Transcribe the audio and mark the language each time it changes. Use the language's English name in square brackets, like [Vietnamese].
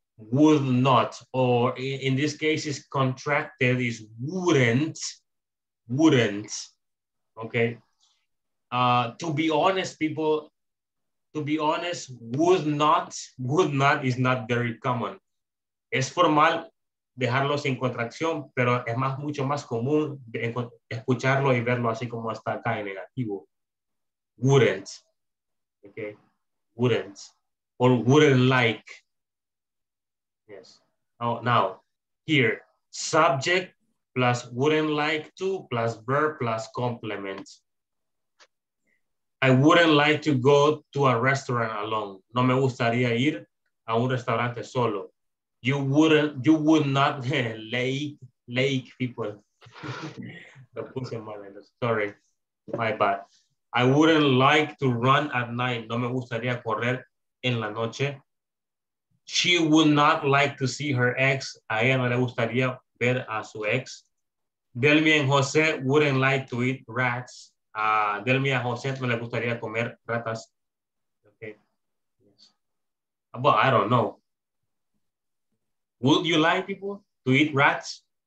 [English] Would not, or in this case is contracted, is wouldn't, okay? To be honest, would not is not very common. [Spanish] Es formal dejarlo sin contracción, pero es más, mucho más común de escucharlo y verlo así como está acá en negativo. [English] Wouldn't, okay, wouldn't, or wouldn't like, yes. Now, here, subject plus wouldn't like to plus verb plus complement. I wouldn't like to go to a restaurant alone. [Spanish] No me gustaría ir a un restaurante solo. [English] You would not, lake people. The [Spanish] puse mal [English] in the story, my bad. I wouldn't like to run at night. [Spanish] No me gustaría correr en la noche. [English] She would not like to see her ex. [Spanish] A ella no le gustaría ver a su ex. [English] Delmi and Jose wouldn't like to eat rats. Delmi and Jose [Spanish] no le gustaría comer ratas. [English] Okay. Yes. Well, I don't know. Would you like people to eat rats?